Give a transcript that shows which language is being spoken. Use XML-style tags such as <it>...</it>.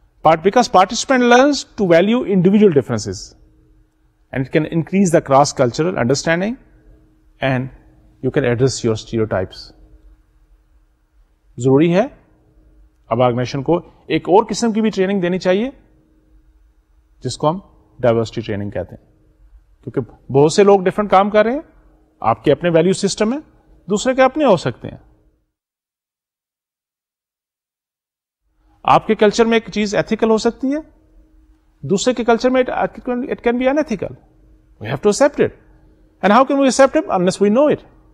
<en>Part because participant learns to value individual differences and it can increase the cross cultural understanding and you can address your stereotypes.</en> <ur>ضروری ہے اب organization کو ایک اور قسم کی بھی ٹریننگ دینی چاہیے جس کو ہم ڈائیورسٹی ٹریننگ کہتے ہیں, کیونکہ بہت سے لوگ ڈفرینٹ کام کر رہے ہیں, آپ کے اپنے ویلیو سسٹم ہیں, دوسرے کے اپنے ہو سکتے ہیں. آپ کے کلچر میں ایک چیز ایتھیکل ہو سکتی ہے, دوسرے کے کلچر میں</ur> <en>It can be unethical, we have to accept it. And how can we accept it unless we know it?</en>